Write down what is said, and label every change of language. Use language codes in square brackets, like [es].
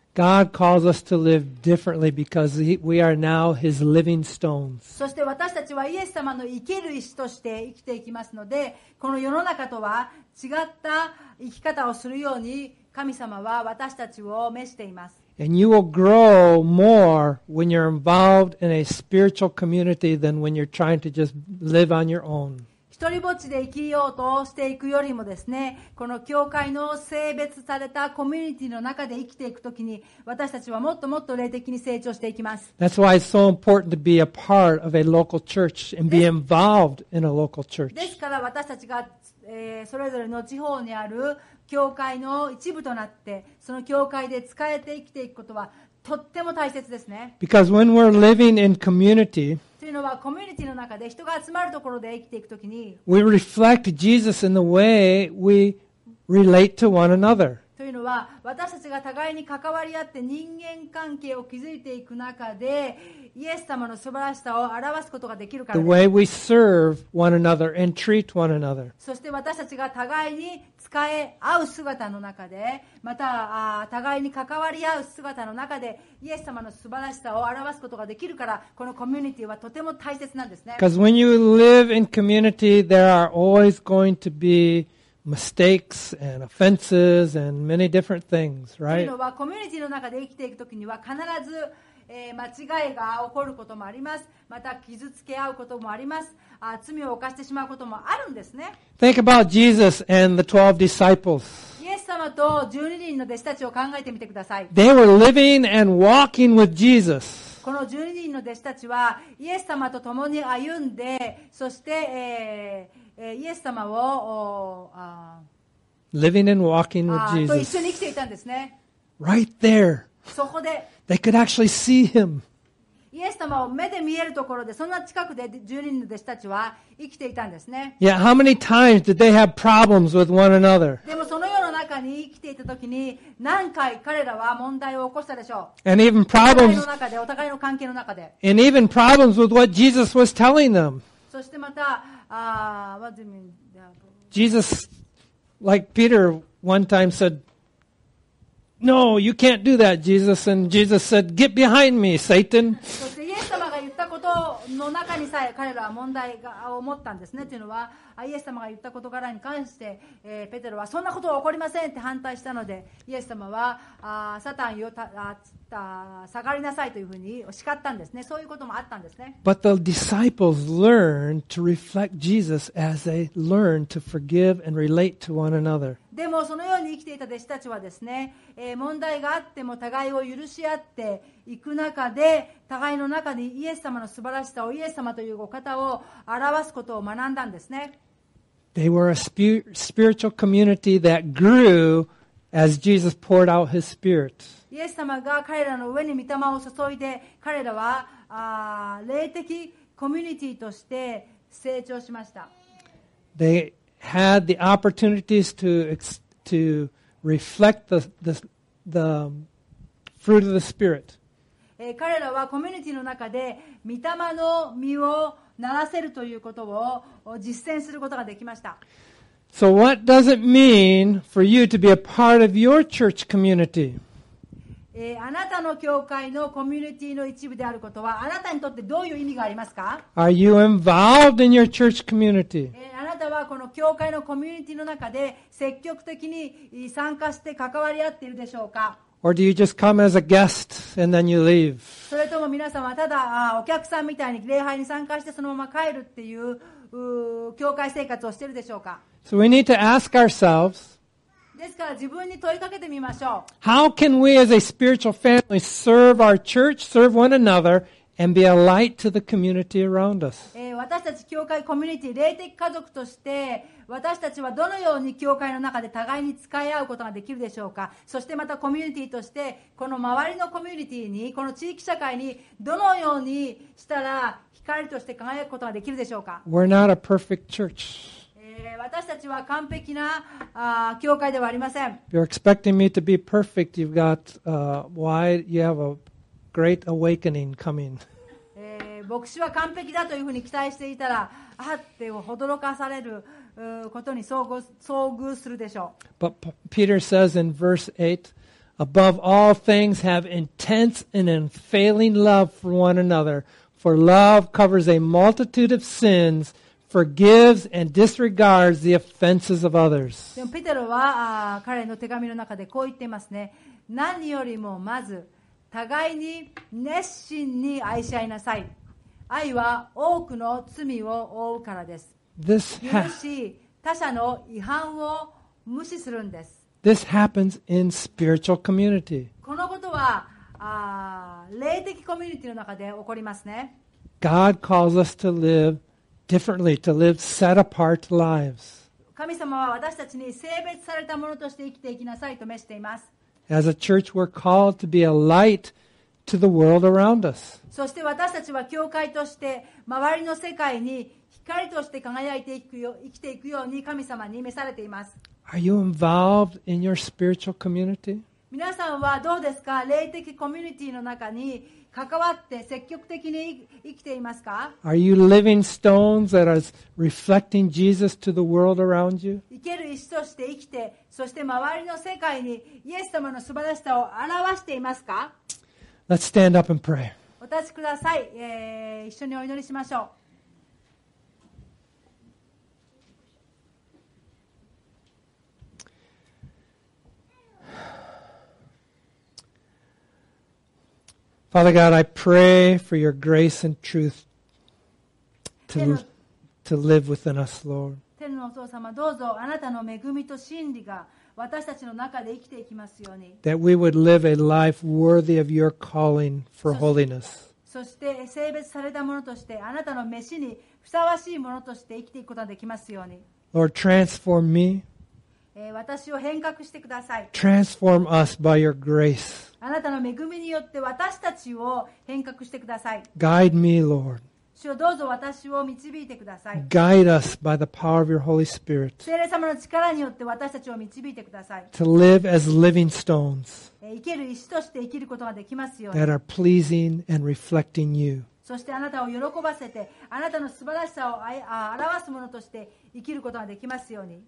[en] God calls us to live differently because we are now His living stones. [ja] そして私たちはイエス様の生ける石として生きていきますので、この世の中とは違った生き方をするように神様は私たちを召しています。 [en] And you will grow more when you're involved in a spiritual community than when you're trying to just live on your own. [ja] 一人ぼっちで生きようとしていくよりもですね、この教会の聖別されたコミュニティの中で生きていくときに、私たちはもっともっと霊的に成長していきます。 [en] That's why it's so important to be a part of a local church and be involved in a local church. [ja] ですから私たちが、それぞれの地方にある教会の一部となって、その教会で使えて生きていくことはとっても大切ですね。 [en] Because when we're living in community, [ja] というのはコミュニティの中で人が集まるところで生きていくときに、 [en] We reflect Jesus in the way we relate to one another. [ja] というのは私たちが互いに関わり合って人間関係を築いていく中で、イエス様の素晴らしさを表すことができるからです。 [en] The way we serve one another and treat one another. [ja] そして私たちが互いに使え合う姿の中で、また互いに関わり合う姿の中で、イエス様の素晴らしさを表すことができるから、このコミュニティはとても大切なんですね。 [en] Because when you live in community, there are always going to be mistakes and offenses and many different things, right? [ja] というのはコミュニティの中で生きていくときには必ず間違いが起こることもあります。また傷つけ合うこともあります。罪を犯してしまうこともあるんですね。 [en] Think about Jesus and the 12 disciples. [ja] イエス様と12人の弟子たちを考えてみてください。 [en] They were living and walking with Jesus. [ja] この12人の弟子たちはイエス様と共に歩んで、そして、イエス様を、 [en] living and walking with Jesus. [ja] と一緒に生きていたんですね。 [en] Right there. [ja] そこで。 [en] They could actually see him. [ja] イエス様を目で見えるところで、そんな近くで12人の弟子たちは生きていたんですね。 [en] Yeah, how many times did they have problems with one another? [ja] でもその世の中に生きていた時に、何回彼らは問題を起こしたでしょう。 [en] And even problems. [ja] お互いの中で、お互いの関係の中で。 [en] And even problems with what Jesus was telling them. [ja] そしてまた、 [en] what do you mean? Jesus, like Peter one time said,No, you can't do that, Jesus. And Jesus said, "Get behind me, Satan." [ja] そしてイエス様が言ったことの中にさえ彼らは問題を持ったんですね。というのは、イエス様が言ったこと柄に関して、ペテロはそんなことは起こりませんって反対したので、イエス様はサタンよ下がりなさいというふうに叱ったんですね。そういうこともあったんですね。 [en] But the disciples learned to reflect Jesus as they learned to forgive and relate to one another. [ja] でもそのように生きていた弟子たちはですね、問題があっても互いを許し合っていく中で、互いの中でイエス様の素晴らしさを、イエス様というお方を表すことを学んだんですね。 [en] They were a spiritual community that grew as Jesus poured out his spirit. [ja] イエス様が彼らの上に御霊を注いで、彼らは霊的コミュニティとして成長しました。 [en] Had the opportunities to reflect the fruit of the Spirit. [ja] 彼らはコミュニティの中で御霊の実をならせるということを実践することができました。 [en] So what does it mean for you to be a part of your church community? [ja] あなたの教会のコミュニティの一部であることはあなたにとってどういう意味がありますか? [en] Are you involved in your church community? [ja] あなたはこの教会のコミュニティの中で積極的に参加して関わり合っているでしょうか? [en] Or do you just come as a guest and then you leave? [ja] それとも皆さんはただお客さんみたいに礼拝に参加してそのまま帰るっていう教会生活をしているでしょうか? [en] So we need to ask oursels [ja] ですから自分に問いかけてみましょう。 [en] How can we as a spiritual family serve our church, serve one another, and be a light to the community around us? [ja] 私たち教会コミュニティ、霊的家族として、私たちはどのように教会の中で互いに使い合うことができるでしょうか。そしてまたコミュニティとして、この周りのコミュニティに、この地域社会にどのようにしたら光として輝くことができるでしょうか。 [en] We're not a perfect church. [ja] 私たちは完璧な教会ではありません。 [en] You're expecting me to be perfect. You've got you have a great awakening coming. [ja] 牧師は完璧だというふうに期待していたら、あって驚かされることに遭遇するでしょう。 [en] But Peter says in verse 8, above all things have intense and unfailing love for one another, for love covers a multitude of sins. Forgives and disregards the offenses of others. [ja] でもペテロは彼の手紙の中でこう言っていますね。何よりもまず互いに熱心に愛し合いなさい。愛は多くの罪を覆うからです。 [en] This [ja] ha- 許し他者の違反を無視するんです。 [en] This happens in spiritual community. [ja] このことは霊的コミュニティの中で起こりますね。 [en] God calls us to live. Differently, to live set apart lives. [ja] 神様は私たちに聖別されたものとして生きていきなさいと召しています。 [en] As a church, we're called to be a light to the world around us. [ja] そして私たちは教会として周りの世界に光として輝いていくよ、生きていくように神様に召されています。 [en] Are you involved in your spiritual community? [ja] 皆さんはどうですか? 霊的コミュニティの中に関わって積極的に生きていますか? [en] Are you living stones that are reflecting Jesus to the world around you? [ja] 生ける石として生きて、そして周りの世界にイエス様の素晴らしさを表していますか? [en] Let's stand up and pray. [ja] お立ちください。一緒にお祈りしましょう。 [en] Father God, I pray for your grace and truth to live within us, Lord. [ja] 天のお父様、どうぞあなたの恵みと真理が私たちの中で生きていきますように。 [en] That we would live a life worthy of your calling for holiness. [ja] そして聖別されたものとしてあなたの召しにふさわしいものとして生きていくことができますように。 [en] Lord, transform me. [ja] 私を変革してください。 [en] Transform us by your grace. [ja] あなたの恵みによって私たちを変革してください。 [en] Guide me, Lord. [ja] 主よどうぞ私を導いてください。 [en] Guide us by the power of your Holy Spirit. [ja] 聖霊様の力によって私たちを導いてください。 [en] To live as living stones. [ja] 生ける石として生きることができますように。 [en] That are pleasing and reflecting you. [ja] そしてあなたを喜ばせて、あなたの素晴らしさを表すものとして生きることができますように。